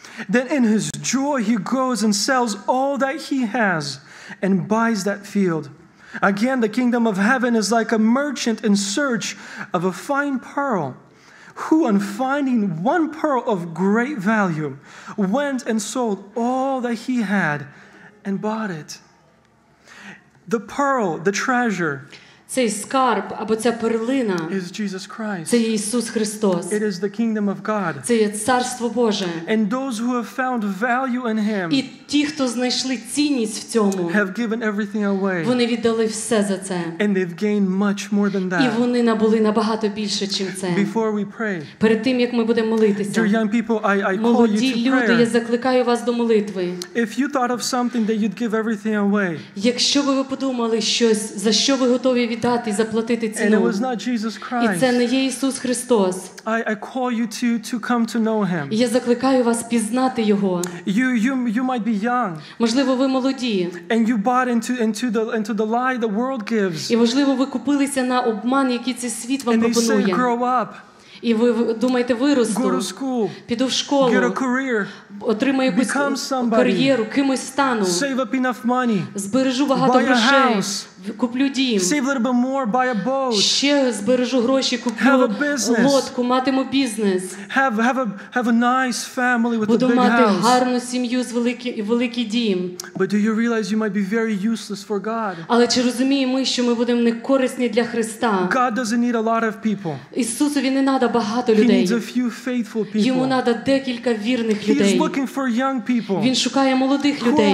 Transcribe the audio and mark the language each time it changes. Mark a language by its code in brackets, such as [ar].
[en] Then in his joy he goes and sells all that he has and buys that field. Again, the kingdom of heaven is like a merchant in search of a fine pearl, who on finding one pearl of great value, went and sold all that he had and bought it. The pearl, the treasure, [uk] цей скарб або ця перлина [en] is Jesus Christ. [uk] Це Ісус Христос. [en] It is the kingdom of God. [uk] Це є царство Боже. [en] And those who have found value in him, [uk] і ті, хто знайшли цінність в цьому, [en] have given everything away. [uk] Вони віддали все за це. [en] And they've gained much more than that. [uk] І вони набули набагато більше, чим це. [en] Before we pray, [uk] перед тим, як ми будемо молитися, [en] dear young people, I call [uk] молоді [en] you to [uk] люди, [en] prayer. [uk] Я закликаю вас до молитви. [en] If you thought of something that you'd give everything away, [uk] якщо ви подумали щось, за що ви готові від дати, заплатити ціну. [en] And it was not Jesus Christ. [uk] І це не є Ісус Христос. [en] I call you to come to know him. [uk] Я закликаю вас пізнати його. [en] You might be young. [uk] Можливо, ви молоді. [en] And you bought into the lie the world gives. [uk] І можливо, ви купилися на обман, який цей світ вам пропонує. [en] And they say, grow up. [uk] І ви думаєте, виросту. [en] Go to school. [uk] Піду в школу. [en] Get a career. [uk] Отримаю якусь кар'єру, кимось стану. [en] Save up enough money. [uk] Збережу багато грошей. Куплю дім. [en] Save a little bit more, buy a boat. [uk] Ще збережу гроші, куплю лодку, матиму бізнес. [en] Have a nice family with [uk] буду [en] a big house. [uk] Буду мати гарну сім'ю з великий дім. [en] But do you realize you might be very useless for God? [uk] Але чи розуміємо ми, що ми будемо не корисні для Христа? [en] God doesn't need a lot of people. [uk] Ісусові не треба багато людей. [en] He needs a few faithful people. [uk] Йому треба декілька вірних людей. [en] He's looking for young people. [uk] Він шукає молодих людей.